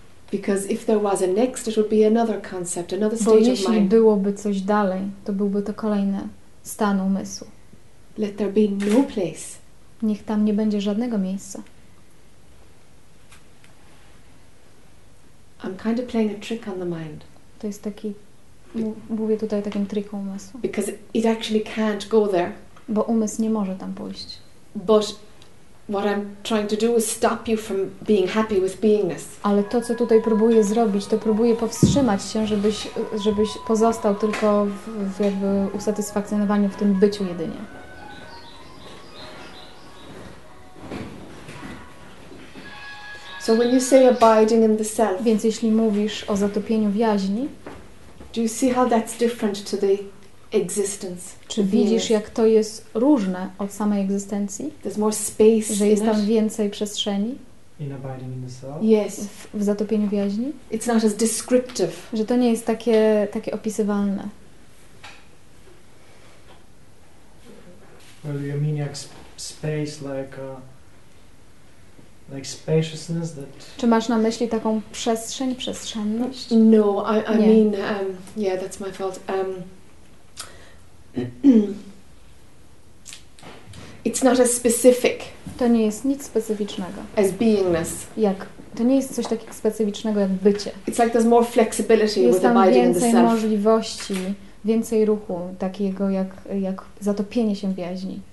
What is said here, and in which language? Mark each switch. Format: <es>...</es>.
<en>Because if there was a next, it would be another concept, another stage of mind.</en> <pl>Bo jeśli byłoby coś dalej, to byłby to kolejny stan umysłu.</pl> <en>Let there be no place.</en> <pl>Niech tam nie będzie żadnego miejsca.</pl> <en>I'm kind of playing a trick on the mind.</en> <pl>To jest taki, mówię tutaj o takim triku umysłu.</pl> <en>Because it actually can't go there.</en> <pl>Bo umysł nie może tam pójść.</pl> <en>But what I'm trying to do is stop you from being happy with beingness.</en> <pl>Ale to, co tutaj próbuję zrobić, to próbuję powstrzymać się, żebyś pozostał tylko w jakby usatysfakcjonowaniu w tym byciu jedynie.</pl> <en>So when you say abiding in the self,</en> <pl>więc jeśli mówisz o zatopieniu w jaźni,</pl> <en>do you see how that's different to the existence?</en> <pl>Czy widzisz, jak to jest różne od samej egzystencji?</pl> <en>There's more space,</en> <pl>że jest tam</pl> <en>it?</en> <pl>Więcej przestrzeni.</pl> <en>In abiding in the self. Yes.</en> <pl>W zatopieniu w jaźni.</pl> <en>It's not as descriptive.</en> <pl>Że to nie jest takie opisywalne.</pl> <en>Well, you mean like space, like spaciousness that.</en> <pl>Czy masz na myśli taką przestrzenność?</pl> <en>No, I mean, yeah, that's my fault. It's not as specific.</en> <pl>To nie jest nic specyficznego.</pl> <en>As beingness.</en> <pl>Jak to nie jest coś takiego specyficznego jak bycie.</pl> <en>It's like there's more flexibility with abiding in the self.</en> <pl>Jest więcej możliwości, więcej ruchu takiego jak zatopienie się w jaźni.</pl>